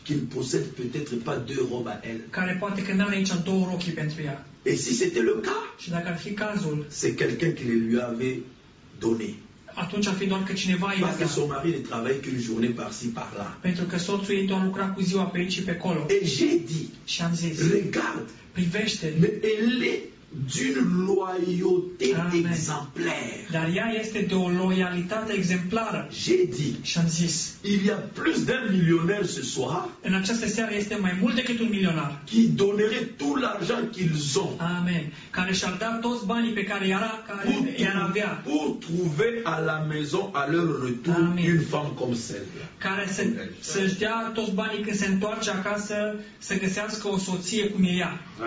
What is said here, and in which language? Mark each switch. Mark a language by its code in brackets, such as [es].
[fr] Qui ne possède peut-être pas deux robes à elle. [ro] Care poate că n-are aici două rochi pentru ea. [fr] Et si c'était le cas? [ro] Și dacă ar fi cazul? [fr] C'est quelqu'un qui le lui avait donné. [ro] Atunci a fi doar că cineva i-a dat. [fr] Son mari ne travaille qu'une journée par-ci par-là. [ro] Pentru că soțul ei doar lucra cu ziua pe aici și pe acolo. [fr] Et j'ai dit. [ro] Și am zis. [fr] Regarde. [ro] Privește. [fr] Mais elle est d'une loyauté exemplaire. [ro] Dar ea este de o loialitate exemplară. [fr] J'ai dit. [ro] Și am zis. [fr] Il y a plus d'un millionnaire ce soir. [ro] În această seară este mai mult decât un milionar. [fr] Qui donnerait tout l'argent qu'ils ont. Amen. [ro] Care și-ar da toți banii pe care i-ar avea. [fr] Pour trouver à la maison à leur retour. Amen. Une femme comme celle-là. [ro] Care să-și dea toți banii când se întoarce acasă să găsească o soție cum e ea.